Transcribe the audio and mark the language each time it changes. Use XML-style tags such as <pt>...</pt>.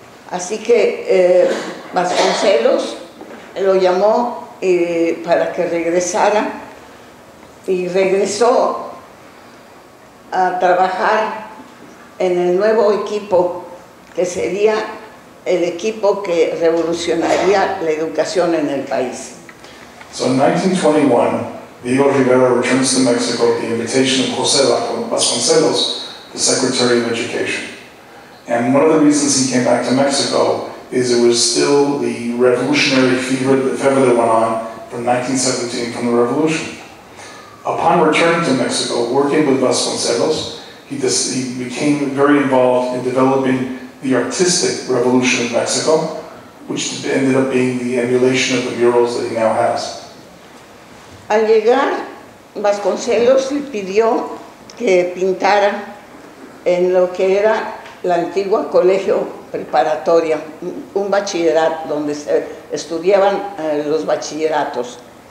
<es>Así que Vasconcelos lo llamó para que regresara, y regresó a trabajar en el nuevo equipo que sería el equipo que revolucionaría la educación en el país.</es> <en>So in 1921, Diego Rivera returns to Mexico at the invitation of José Vasconcelos, the Secretary of Education. And one of the reasons he came back to Mexico is it was still the revolutionary fever that went on from 1917, from the revolution. Upon returning to Mexico, working with Vasconcelos, he became very involved in developing the artistic revolution in Mexico, which ended up being the emulation of the murals that he now has.</en> <es>Al llegar, Vasconcelos le pidió que pintara en lo que era la antigua colegio preparatoria, un bachillerato donde se estudiaban los bachilleratos.</es>